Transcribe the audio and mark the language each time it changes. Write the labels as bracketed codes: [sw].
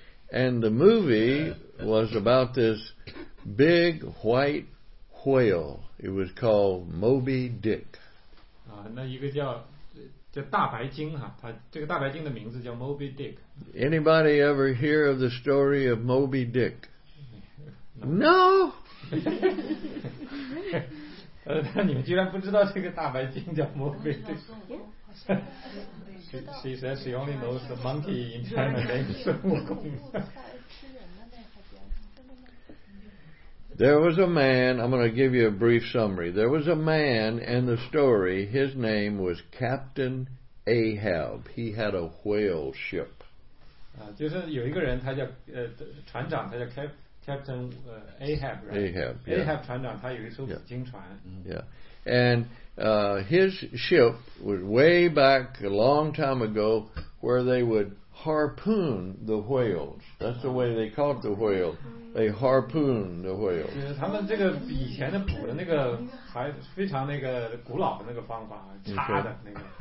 [en] And the movie was about this big white whale. It was called Moby Dick. [zh] 那一个叫大白鲸哈，它这个大白鲸的名字叫 Moby Dick. [en] Anybody ever hear of the story of Moby Dick? No. [zh] 你们居然不知道这个大白鲸叫 Moby Dick? [en] She says she only knows the monkey in China named 孙悟空. There was a man, I'm going to give you a brief summary. There was a man in the story, his name was Captain Ahab. He had a whale ship. [zh] 就是有一个人他叫船长他叫 Captain Ahab, right? [en] Ahab, yeah. [zh] Ahab 船长他有一艘捕鲸船。 [en] Yeah. And his ship was way back a long time ago where they would harpoon the whales. That's the way they caught the whale. They harpoon the whale. [zh] 就是他们这个以前的捕的那个还非常那个古老的那个方法，叉的那个。